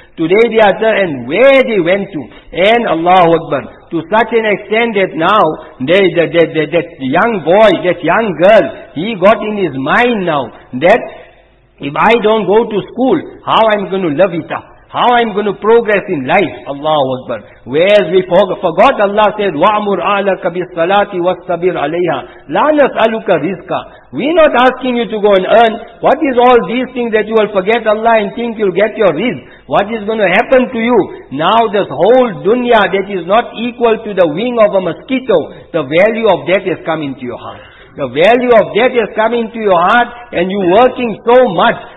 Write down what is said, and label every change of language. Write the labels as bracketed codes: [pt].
[en] Today they are there, and where they went to. And Allahu Akbar. To such an extent that now, that young boy, that young girl, he got in his mind now that if I don't go to school, how I'm going to live it up? How I'm going to progress in life? Allahu Akbar. Whereas we forgot, Allah said, [ar] وَأْمُرْ أَهْلَكَ بِالصَّلَاةِ وَاصْطَبِرْ عَلَيْهَا لَا نَسْأَلُكَ رِزْقًا. [en] We're not asking you to go and earn. What is all these things that you will forget Allah and think you'll get your rizq? What is going to happen to you? Now this whole dunya that is not equal to the wing of a mosquito, the value of that has come into your heart. The value of that has come into your heart and you working so much.